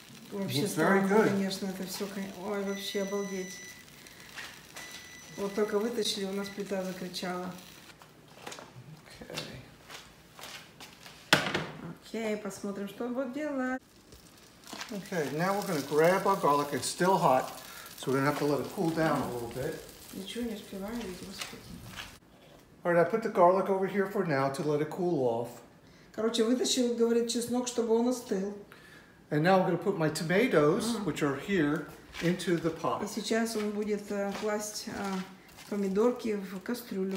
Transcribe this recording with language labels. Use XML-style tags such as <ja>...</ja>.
<ru>Вообще странно, конечно, это все, ой, вообще обалдеть. Вот только вытащили, у нас плита закричала. Окей. Окей, посмотрим, что он будет делать.</ru> <en>Окей, now we're gonna grab our garlic. It's still hot, so we're gonna have to let it cool down a little bit.</en> <ru>Ничего не успеваю, ведь, господи.</ru> <en>All right, I put the garlic over here for now to let it cool off.</en> <ru>Короче, вытащил, говорит, чеснок, чтобы он остыл.</ru> <en>And now I'm going to put my tomatoes, which are here, into the pot.</en> <ru>И сейчас он будет класть помидорки в кастрюлю.</ru>